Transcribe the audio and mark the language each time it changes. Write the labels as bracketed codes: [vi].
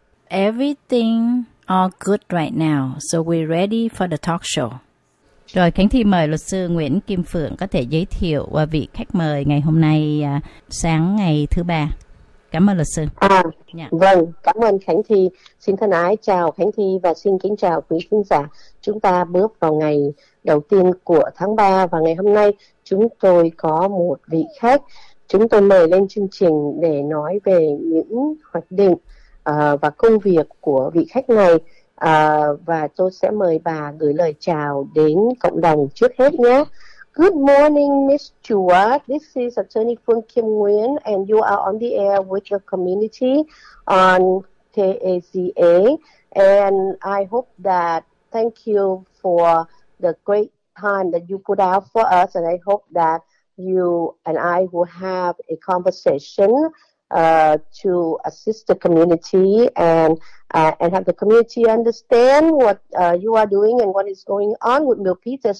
[en] Everything all good right now, so we're ready for the talk show. [vi] Rồi, Khánh Thi mời luật sư Nguyễn Kim Phượng có thể giới thiệu vị khách mời ngày hôm nay sáng ngày thứ ba. Cảm ơn luật sư. Vâng, cảm ơn Khánh Thi. Xin thân ái chào Khánh Thi và xin kính chào quý khán giả. Chúng ta bước vào ngày đầu tiên của tháng 3 và ngày hôm nay chúng tôi có một vị khách. Chúng tôi mời lên chương trình để nói về những hoạch định và công việc của vị khách này. Và tôi sẽ mời bà gửi lời chào đến cộng đồng trước hết nhé. [en] Good morning, Ms. Chua. This is Attorney Phuong Kim Nguyen, and you are on the air with your community on KACA. And I hope that, thank you for the great time that you put out for us, and I hope that you and I will have a conversation to assist the community and have the community understand what you are doing and what is going on with Bill Peter.